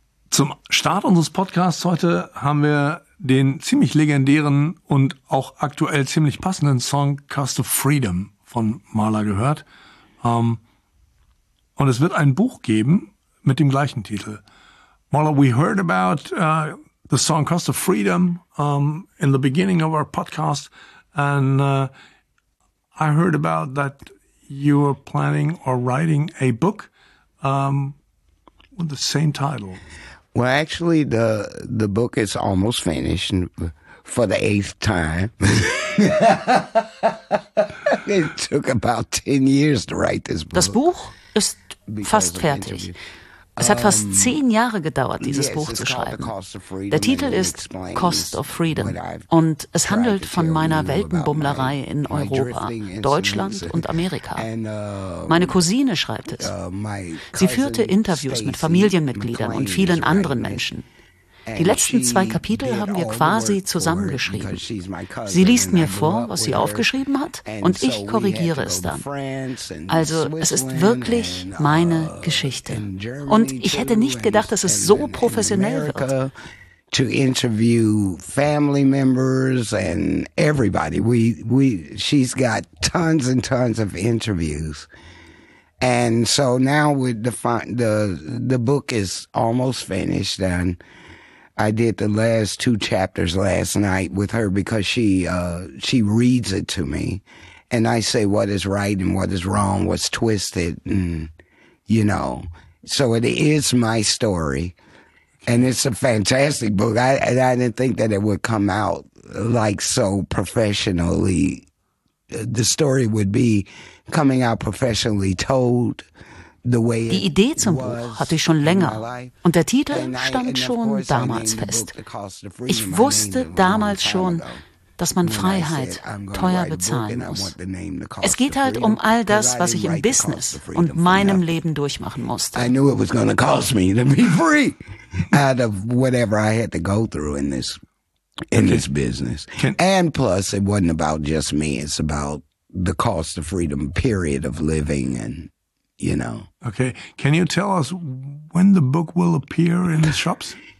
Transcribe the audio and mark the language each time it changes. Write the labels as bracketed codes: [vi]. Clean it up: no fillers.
[de] Zum Start unseres Podcasts heute haben wir den ziemlich legendären und auch aktuell ziemlich passenden Song Cost of Freedom von Marla gehört. Und es wird ein Buch geben mit dem gleichen Titel. [en] Marla, we heard about the song Cost of Freedom in the beginning of our podcast. And I heard about that you are planning or writing a book with the same title. Well, actually, the book is almost finished for the eighth time. It took about 10 years to write this book. [de] Das Buch ist fast fertig. Es hat fast 10 Jahre gedauert, dieses Buch zu schreiben. Der Titel ist Cost of Freedom und es handelt von meiner Weltenbummlerei in Europa, Deutschland und Amerika. Meine Cousine schreibt es. Sie führte Interviews mit Familienmitgliedern und vielen anderen Menschen. Die letzten zwei Kapitel haben wir quasi zusammengeschrieben. Sie liest mir vor, was sie aufgeschrieben hat, und ich korrigiere es dann. Also, es ist wirklich meine Geschichte. Und ich hätte nicht gedacht, dass es so professionell wird. [en] To interview family members and everybody. She's got tons and tons of interviews. And so now with the book is almost finished and I did the last two chapters last night with her because she reads it to me. And I say what is right and what is wrong, what's twisted, and you know. So it is my story. And it's a fantastic book. I didn't think that it would come out like so professionally. The story would be coming out professionally told. [de] Die Idee zum Buch hatte ich schon länger und der Titel stand schon damals fest. Ich wusste damals schon, dass man Freiheit teuer bezahlen muss. Es geht halt um all das, was ich im Business und meinem Leben durchmachen musste. [en] I knew it was going to cost me to be free out of whatever I had to go through in this business. And plus, it wasn't about just me. It's about the cost of freedom, period of living and you know. Okay. Can you tell us when the book will appear in the shops?